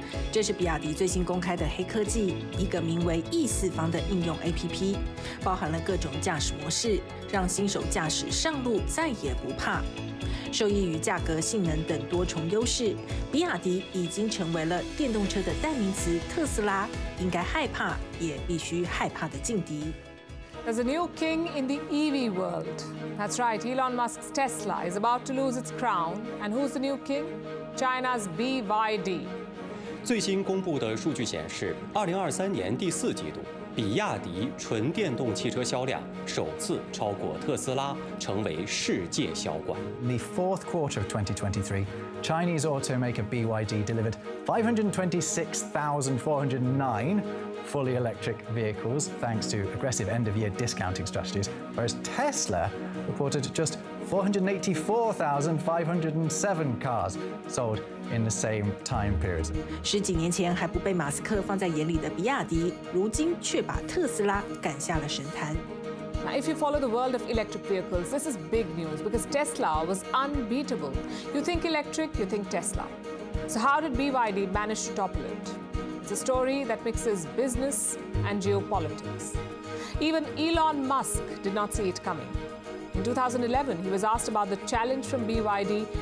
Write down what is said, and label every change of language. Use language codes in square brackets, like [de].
[zh] 这是比亚迪最新公开的黑科技，一个名为 E4方的应用 APP， 包含了各种驾驶模式，让新手驾驶上路再也不怕。受益于价格、性能等多重优势，比亚迪已经成为了电动车的代名词，特斯拉应该害怕也必须害怕的劲敌。 [en] There's a new king in the EV world. That's right, Elon Musk's Tesla is about to lose its crown. And who's the new king? China's BYD. [zh] 最新公布的数据显示，2023年第四季度，比亚迪纯电动汽车销量首次超过特斯拉，成为世界销冠。 [en] The fourth quarter of 2023, Chinese automaker BYD delivered 526,409 fully electric vehicles, thanks to aggressive end-of-year discounting strategies. Whereas Tesla reported just 484,507 cars sold. In the same time period. [zh] 十几年前还不被马斯克放在眼里的比亚迪，如今却把特斯拉赶下了神坛。 [en] Now, if you follow the world of electric vehicles, this is big news because Tesla was unbeatable. You think electric, you think Tesla. So how did BYD manage to topple it? It's a story that mixes business and geopolitics. Even Elon Musk did not see it coming. In 2011, he was asked about the challenge from BYD.